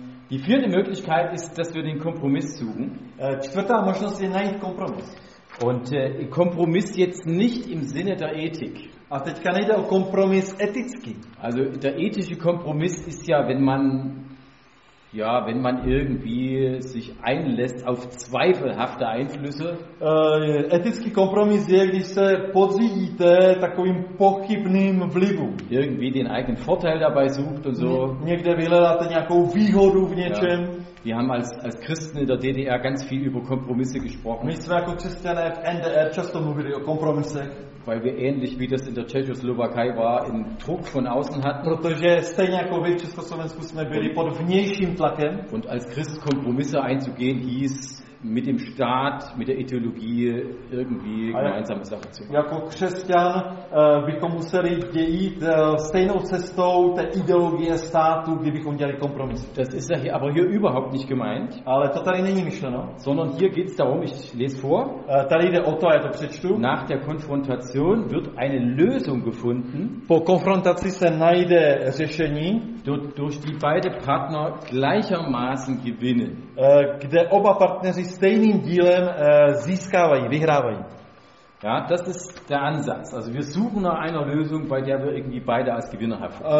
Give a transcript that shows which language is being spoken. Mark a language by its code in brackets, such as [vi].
[de] Die vierte Möglichkeit ist, dass wir den Kompromiss suchen. [cs] Čtvrtá možnost je najít kompromis. [de] Und Kompromiss jetzt nicht im Sinne der Ethik. [cs] A teďka nejde o kompromis eticky. [de] Also der ethische Kompromiss ist ja, wenn man Ja, wenn man irgendwie sich einlässt auf zweifelhafte Einflüsse. [cs] Etický kompromis je, když se podřídíte takovým pochybným vlivům. [de] Irgendwie den eigenen Vorteil dabei sucht und so. [cs] Někde vyhledáte nějakou výhodu v něčem. [de] Ja. Wir haben als Christen in der DDR ganz viel über Kompromisse gesprochen. [cs] My jsme jako křesťané v NDR často mluvili o kompromisech. [de] Weil wir ähnlich wie das in der Tschechoslowakei war, in Druck von außen hatten. [cs] Protože stejně jako vy v Československu jsme byli pod vnějším tlakem. [de] Und als Christ Kompromisse einzugehen hieß, mit dem Staat, mit der Ideologie irgendwie gemeinsame Sache zu machen. [cs] Jako křesťan bychom museli jít stejnou cestou té ideologie státu, kdybychom dělali kompromis. [de] Das ist ja aber hier überhaupt nicht gemeint. [cs] Ale to tady není myšleno. [de] Sondern hier geht's darum, ich lese vor. [cs] Tady jde o to, já to přečtu. [de] Nach der Konfrontation wird eine Lösung gefunden. [cs] Po konfrontaci se najde řešení. [de] Durch die beide Partner gleichermaßen gewinnen. [cs] Kde oba partneři stejným dílem získávají, vyhrávají. [de] Ja, das ist der Ansatz. Also wir suchen nach einer Lösung, bei der wir irgendwie beide als Gewinner haben.